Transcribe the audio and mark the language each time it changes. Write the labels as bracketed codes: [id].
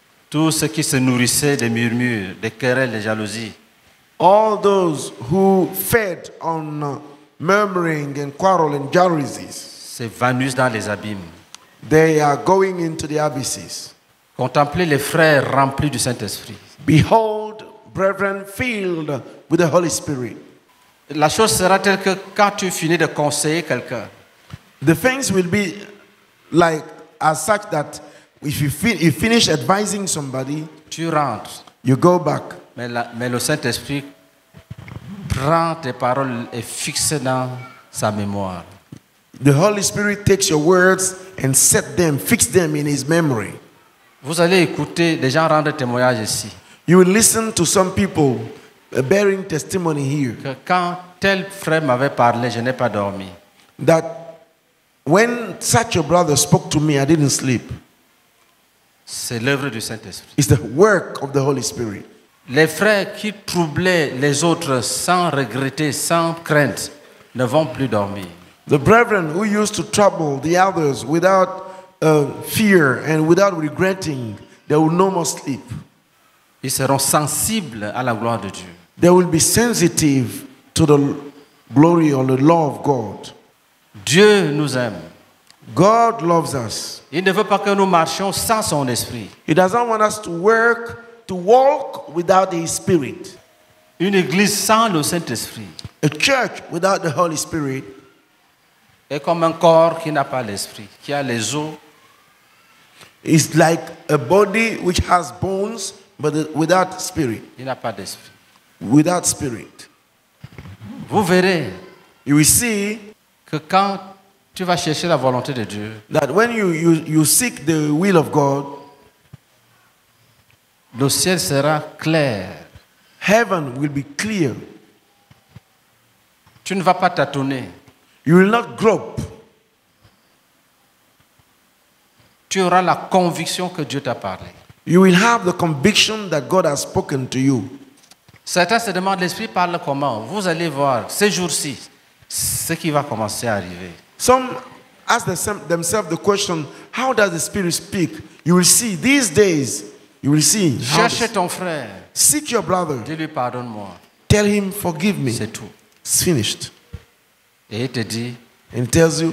[fr] Tous ceux qui se nourrissaient des murmures, des querelles, des jalousies. [en] All those who fed on murmuring and quarreling, jalousies. [fr] S'évanouissent dans les abîmes. [en] They are going into the abysses. [fr] Contemplez les frères remplis du Saint-Esprit. [en] Behold, brethren filled with the Holy Spirit. [fr] La chose sera telle que quand tu finis de conseiller quelqu'un. [en] The things will be like as such that if you, you finish advising somebody, [fr] tu rentres, [en] you go back. [fr] Mais le Saint-Esprit prend tes paroles et fixe dans sa mémoire. [en] The Holy Spirit takes your words and set them, fix them in his memory. [fr] Vous allez écouter des gens rendre témoignage ici. [en] You will listen to some people bearing testimony here. [fr] Que quand tel frère m'avait parlé, je n'ai pas dormi. [en] That when such a brother spoke to me, I didn't sleep. [fr] C'est l'œuvre du Saint-Esprit. [en] It's the work of the Holy Spirit. [fr] Les frères qui troublaient les autres sans regretter, sans crainte, ne vont plus dormir. [en] The brethren who used to trouble the others without fear and without regretting, they will no more sleep. [fr] Ils seront sensibles à la gloire de Dieu. [en] They will be sensitive to the glory or the law of God. [fr] Dieu nous aime. [en] God loves us. [fr] Il ne veut pas que nous marchions sans son esprit. [en] He doesn't want us to walk without the Spirit. [fr] Une église sans le Saint-Esprit. [en] A church without the Holy Spirit. [fr] Est comme un corps qui n'a pas l'esprit, qui a les os. [en] It's like a body which has bones but without spirit. [fr] Il n'a pas d'esprit. [en] Without spirit. [fr] Vous verrez. [en] You will see. [fr] Que quand tu vas chercher la volonté de Dieu. [en] That when you seek the will of God. [fr] Le ciel sera clair. [en] Heaven will be clear. [fr] Tu ne vas pas tâtonner. [en] You will not grope. [fr] Tu auras la conviction que Dieu t'a parlé. [en] You will have the conviction that God has spoken to you. [fr] Certains se demandent, l'Esprit parle comment? Vous allez voir ces jours-ci ce qui va commencer à arriver. [en] Some ask themselves the question, how does the Spirit speak? You will see these days. You will see. [fr] Cherche ton frère. [en] Seek your brother. [fr] Dis-lui pardonne-moi. [en] Tell him forgive me. [fr] C'est tout. [en] It's finished. [fr] Et il te dit, [en] and tells you,